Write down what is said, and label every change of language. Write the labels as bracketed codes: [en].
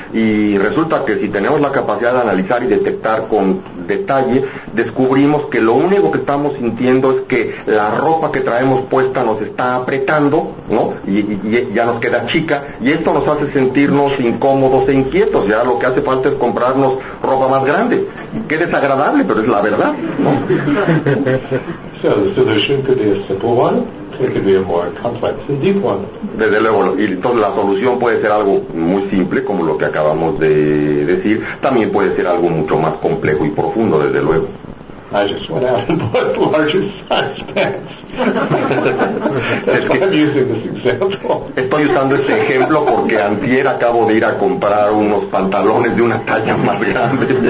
[es] Y resulta que si tenemos la capacidad de analizar y detectar con detalle, descubrimos que lo único que estamos sintiendo es que la ropa que traemos puesta nos está apretando, ¿no? Y ya nos queda chica, y esto nos hace sentirnos incómodos e inquietos. Ya lo que hace falta es comprarnos ropa más grande. Qué desagradable, pero es la verdad, ¿no? [en] So the solution could be a simple one, or it could be a more complex and deep one. [es] Desde luego, y entonces la solución puede ser algo muy simple, como lo que acabamos de decir, también puede ser algo mucho más complejo y profundo, desde luego. [en] I just went out and bought larger size pants. That's why I'm using this example. [es] Estoy usando este ejemplo porque antier acabo de ir a comprar unos pantalones de una talla más grande.